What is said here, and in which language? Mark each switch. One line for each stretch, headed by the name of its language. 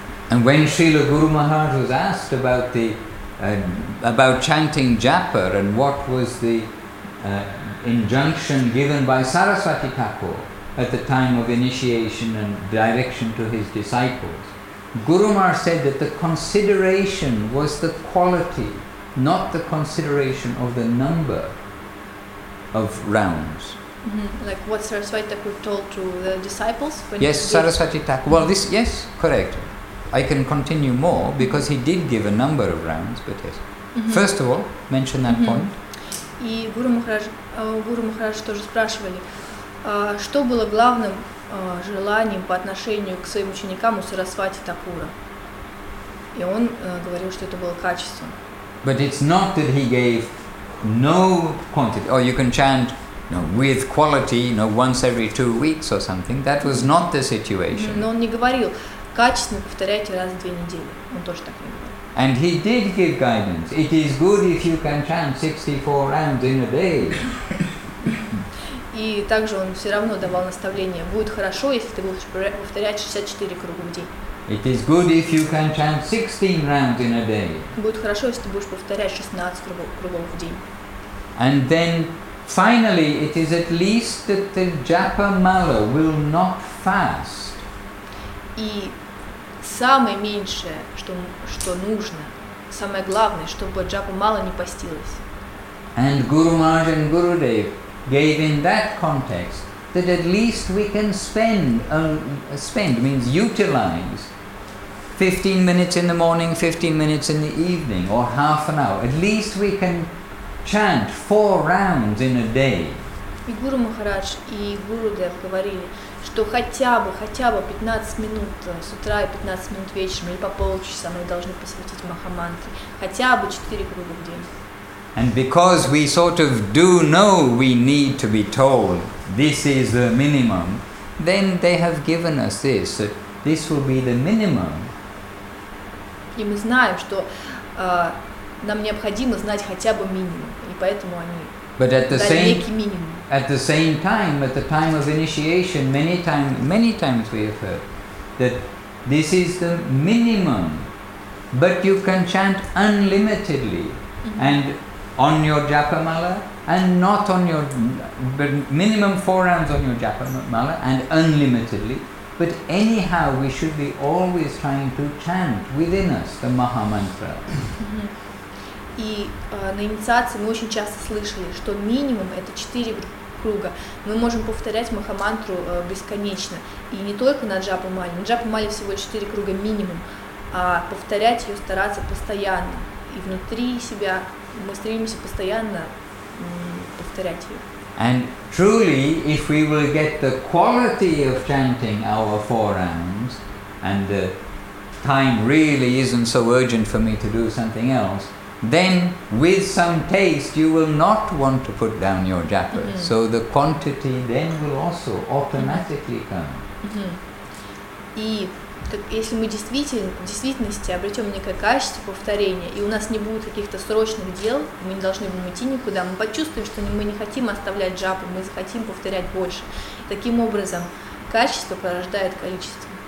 English: And when Srila Guru Maharaj was asked about the about chanting japa and what was the injunction given by Saraswati Thakur at the time of initiation and direction to his disciples, Guru Maharaj said that the consideration was the quality, not the consideration of the number of rounds. Like what Saraswati Thakur told to the disciples? Yes, Saraswati Thakur. Well, yes, correct. I can continue more because he did give a number of rounds, but yes. First of all, mention that point.
Russian: И Гуру Махарадж тоже спрашивали, что было главным желанием по отношению к своим ученикам у Сарасвати Такура? И он говорил, что это было качеством.
English: But it's not that he gave no quantity. Oh, you can chant, no, with quality, you know, once every 2 weeks or something. That was not the situation.
Russian: Но он не говорил, качественно повторяйте раз в две недели. Он тоже так не говорил.
English: And he did give guidance. It is good if you can chant 64 rounds in a day.
Russian: И также он все равно давал наставление. Будет хорошо, если ты будешь повторять 64 круга в день.
English: It is good if you can chant 16 rounds in a day.
Russian: Будет хорошо, если ты будешь повторять 16 кругов в день.
English: And then finally, it is at least that the japa mala will not fast.
Russian: И самое меньшее, что нужно, самое главное, чтобы джапа мало не постилась.
English: And Guru Maharaj and Gurudev gave in that context that at least we can spend means utilize 15 minutes in the morning, 15 minutes in the evening, or half an hour. At least we can chant 4 rounds in a day.
Russian: И Гуру Махарадж, и Гурудев говорили, что хотя бы 15 минут с утра и 15 минут вечером, или по полчаса мы должны посвятить Махамантре, хотя бы 4 круга в день.
English: And because we sort of do know we need to be told this is the minimum, then they have given us this, that this will be the minimum.
Russian: И мы знаем, что нам необходимо знать хотя бы минимум, и поэтому они дали некий минимум.
English: At the same time, at the time of initiation, many times we have heard that this is the minimum, but you can chant unlimitedly, mm-hmm. and on your japamala, and not on your, but minimum 4 rounds on your japamala, and unlimitedly. But anyhow, we should be always trying to chant within us the Maha Mantra.
Russian: И на инициации мы очень часто слышали, что минимум это 4 круга. Мы можем повторять Махамантру бесконечно. И не только на джапа-мале. На джапа-мале всего 4 круга минимум. А повторять ее стараться постоянно. И внутри себя мы стремимся постоянно повторять ее.
English: And truly, if we will get the quality of chanting our 4 rounds, and the time really isn't so urgent for me to do something else, then with some taste you will not want to put down your japa. Mm-hmm. So the quantity then will also automatically come. Mm-hmm.
Russian: И так, если мы в действительности обретем некое качество повторения, и у нас не будет каких-то срочных дел, мы не должны будем идти никуда, мы почувствуем, что мы не хотим оставлять джапу, мы захотим повторять больше. Таким образом, качество порождает количество.